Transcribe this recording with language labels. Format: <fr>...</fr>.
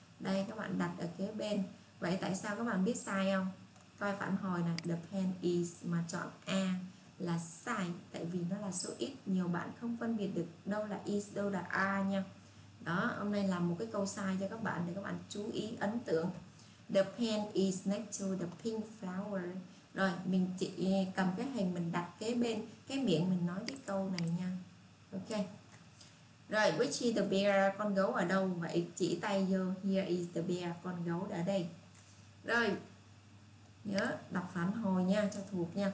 <vi>Đây các bạn đặt ở kế bên, vậy tại sao các bạn biết sai không? Coi phản hồi nè,</vi> <en>the pen is</en> <vi>mà chọn A là sai, tại vì nó là số ít, nhiều bạn không phân biệt được đâu là is đâu là A nha. Đó, hôm nay làm một cái câu sai cho các bạn để các bạn chú ý ấn tượng.</vi> <en>The pen is next to the pink flower.</en> <vi>Rồi, mình chỉ cầm cái hình mình đặt kế bên cái miệng mình nói cái câu này nha. Ok. Rồi,</vi> <en>which is the bear,</en> <vi>con gấu ở đâu? Vậy chỉ tay vô,</vi> <en>here is the bear,</en> <vi>con gấu ở đây. Rồi, nhớ đọc phản hồi nha, cho thuộc nha.</vi>